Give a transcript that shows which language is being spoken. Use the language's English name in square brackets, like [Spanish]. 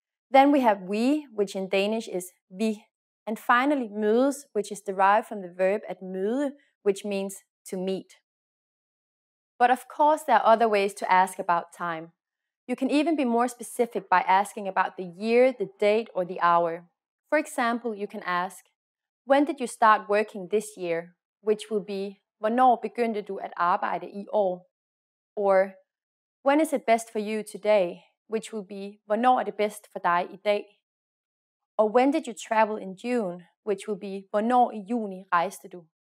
[English] Then we have vi, which in Danish is vi. And finally, mødes, which is derived from the verb at møde, which means to meet. But of course, there are other ways to ask about time. You can even be more specific by asking about the year, the date, or the hour. For example, you can ask, when did you start working this year? [Danish] Which will be, hvornår begyndte du at arbejde i år? [English] Or, when is it best for you today? Which will be, hvornår er det bedst for dig i dag? Or, when did you travel in June? [Danish] Which will be, hvornår i juni rejste du?